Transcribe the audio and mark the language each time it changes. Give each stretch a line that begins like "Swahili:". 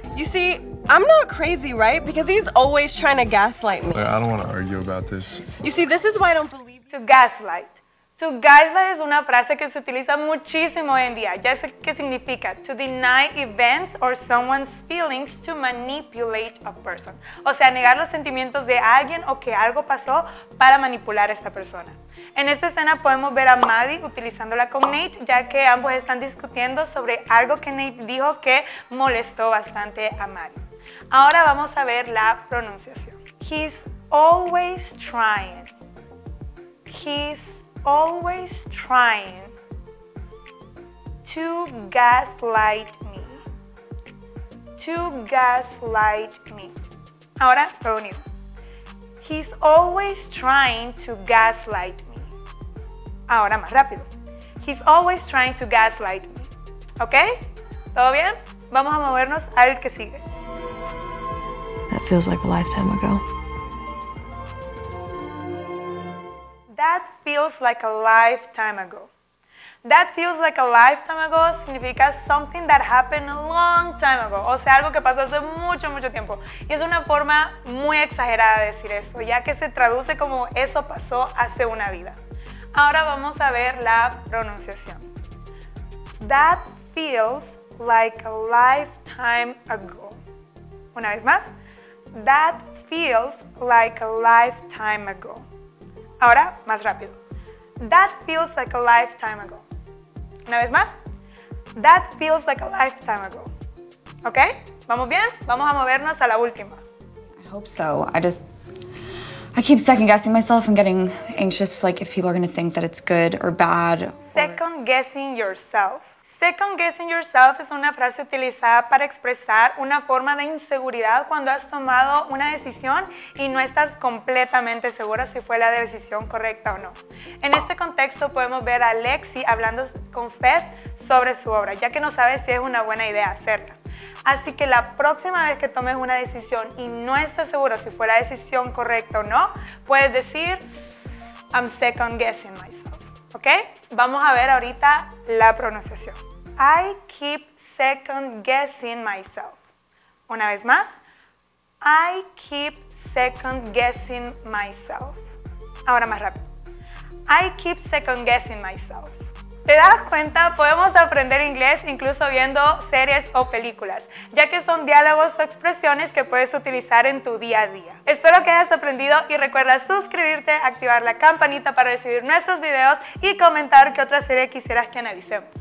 English: You see, I'm not crazy, right? Because he's always trying to gaslight me. I don't want to argue about this. You see, this is why I don't believe to gaslight. To gaslight
Spanish: es una frase que se utiliza muchísimo hoy en día. Ya sé qué significa.
English: To deny events or someone's feelings to manipulate a person.
Spanish: O sea, negar los sentimientos de alguien o que algo pasó para manipular a esta persona. En esta escena podemos ver a Maddie utilizándola con Nate, ya que ambos están discutiendo sobre algo que Nate dijo que molestó bastante a Maddie. Ahora vamos a ver la pronunciación.
English: He's always trying. He's always trying to gaslight me. To gaslight me.
Spanish: Ahora, Tony.
English: He's always trying to gaslight me.
Spanish: Ahora más rápido.
English: He's always trying to gaslight me.
Spanish: ¿Ok? ¿Todo bien? Vamos a movernos al que sigue.
English: That feels like a lifetime ago. That feels like a lifetime ago. That feels like a lifetime ago significa something that happened a long time ago.
Spanish: O sea, algo que pasó hace mucho, mucho tiempo. Y es una forma muy exagerada de decir esto, ya que se traduce como eso pasó hace una vida. Ahora vamos a ver la pronunciación.
English: That feels like a lifetime ago.
Spanish: Una vez más.
English: That feels like a lifetime ago.
Spanish: Ahora, más rápido.
English: That feels like a lifetime ago.
Spanish: Una vez más.
English: That feels like a lifetime ago.
Spanish: ¿Ok? ¿Vamos bien? Vamos a movernos a la última.
English: I hope so. I keep second guessing myself and getting anxious, like if people are gonna think that it's good or bad. Second guessing yourself. Second guessing yourself
Spanish: es una frase utilizada para expresar una forma de inseguridad cuando has tomado una decisión y no estás completamente segura si fue la decisión correcta o no. En este contexto podemos ver a Lexi hablando con Fez sobre su obra, ya que no sabe si es una buena idea hacerla. Así que la próxima vez que tomes una decisión y no estás seguro si fue la decisión correcta o no, puedes decir,
English: I'm second guessing myself.
Spanish: ¿Ok? Vamos a ver ahorita la pronunciación.
English: I keep second guessing myself.
Spanish: Una vez más.
English: I keep second guessing myself.
Spanish: Ahora más rápido.
English: I keep second guessing myself.
Spanish: ¿Te das cuenta? Podemos aprender inglés incluso viendo series o películas, ya que son diálogos o expresiones que puedes utilizar en tu día a día. Espero que hayas aprendido y recuerda suscribirte, activar la campanita para recibir nuestros videos y comentar qué otra serie quisieras que analicemos.